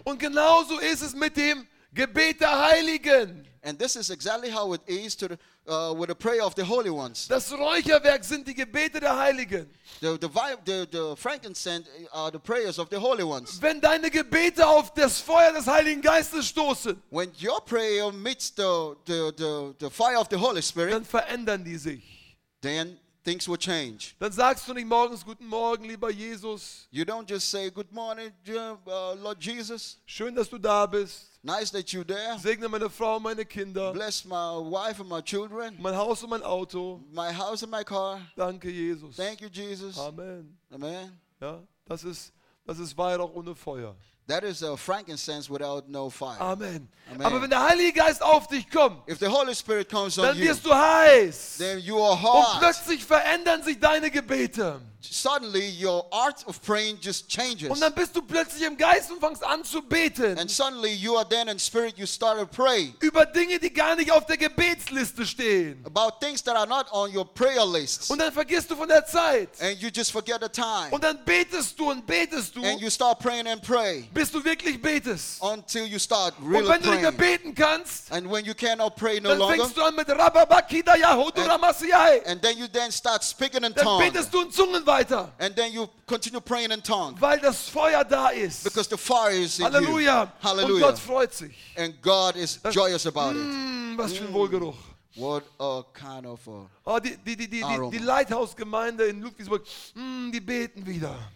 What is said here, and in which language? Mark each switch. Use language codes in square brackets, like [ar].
[de] Und genauso ist es mit dem Gebet der Heiligen. [en] And this is exactly how it is to with the prayer of the holy ones. [de] Das Räucherwerk sind die Gebete der Heiligen. [en] The frankincense are the prayers of the holy ones. [de] Wenn deine Gebete auf das Feuer des Heiligen Geistes stoßen, [en] when your prayer meets the fire of the Holy Spirit, [de] dann verändern die sich. [en] Then things will change. [de] Dann sagst du nicht morgens guten Morgen, lieber Jesus. [en] You don't just say good morning, Lord Jesus. [de] Schön, dass du da bist. [en] Nice that you're there. [de] Segne meine Frau und meine Kinder. [en] Bless my wife and my children. [de] Mein Haus und mein Auto. [en] My house and my car. [de] Danke, Jesus. [en] Thank you, Jesus. [de] Amen. [en] Amen. [de] Ja, das ist Weihrauch ohne Feuer. [en] That is a frankincense without no fire. Amen. Amen. [de] Aber wenn der Heilige Geist auf dich kommt, [en] if the Holy Spirit comes [de] dann [en] on [de] wirst [en] you, [de] du heiß. [en] Then you are hot. [de] Und plötzlich verändern sich deine Gebete. [en] Suddenly your art of praying just changes. [de] Und dann bist du plötzlich im Geist und fängst an zu beten. [en] And suddenly you are then in spirit, you start to pray. [de] Über Dinge, die gar nicht auf der Gebetsliste stehen. [en] About things that are not on your prayer list. [de] Und dann vergisst du von der Zeit. [en] And you just forget the time. [de] Und dann betest du und betest du. [en] And you start praying and pray. [de] Bis du wirklich betest. [en] Until you start really praying. [de] Und wenn du nicht beten kannst, [en] and when you cannot pray no [de] dann [en] longer, [de] fängst du an mit Rababakida Yahudu Ramasiyai. [en] And then you then start speaking in [de] dann [en] tongues. [de] Betest du in Zungen weiter. [en] And then you continue praying in tongues. [de] Weil das Feuer da ist. [en] Because the fire is in [de] Halleluja. [en] You. [de] Hallelujah. Und Gott freut sich. [en] And God is joyous about it. [de] Was für ein Wohlgeruch. [en] What a kind of a aroma. [de] Die Lighthouse Gemeinde in Ludwigsburg, die beten wieder.